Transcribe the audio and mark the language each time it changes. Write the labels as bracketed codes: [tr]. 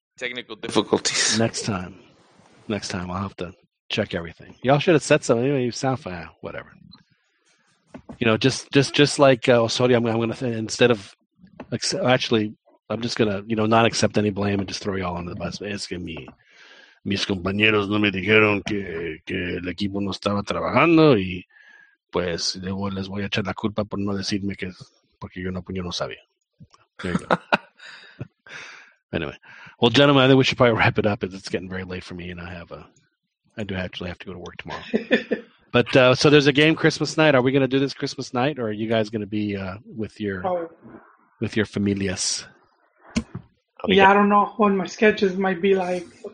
[en] Technical difficulties. Next time, I'll have to. Check everything. Y'all should have said something. Anyway, you sound fine. Whatever. You know, just like Osorio, I'm going to not accept any blame and just throw y'all under the bus. [es] Es que mis compañeros no me dijeron que el equipo no estaba trabajando y pues luego les voy a echar la culpa por no decirme que porque yo no sabía. [en] There you go. Anyway. Well, gentlemen, I think we should probably wrap it up. It's getting very late for me and I do actually have to go to work tomorrow. But so there's a game Christmas night. Are we going to do this Christmas night, or are you guys going to be with your familias? I don't know when my sketches might be like.